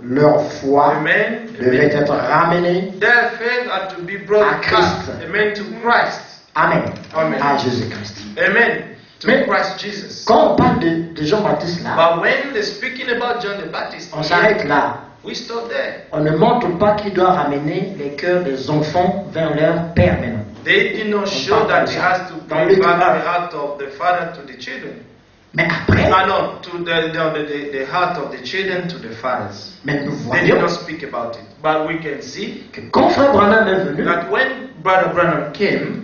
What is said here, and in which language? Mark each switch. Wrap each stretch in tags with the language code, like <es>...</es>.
<fr>Leur foi.</fr> <en>Amen.</en> <fr>Devait être ramené</fr> <en>their faith had to be brought</en> <fr>à Christ.</fr> <en>Amen. To Christ.</en> <fr>Amen.</fr> <en>Amen.</en> <fr>À Jésus Christ.</fr> <en>Amen. To</en> <fr>mais</fr> <en>Christ Jesus.</en> <fr>Quand on parle de Jean-Baptiste là,</fr> <en>but when they're speaking about John the Baptist,</en> <fr>on s'arrête là.</fr> <en>We stop there.</en> <fr>On ne montre pas qu'il doit ramener les cœurs des enfants vers leur père maintenant.</fr> <en>They did not show that he has to bring back the heart of the father to the children.</en> <fr>Mais après, ah non,</fr> <en>to the heart of the children to the fathers.</en> <fr>Mais nous voyons,</fr> <en>they did not speak about it, but we can see</en> <fr>que quand Frère Branham est venu,</fr> <en>that when Brother Branham came,</en>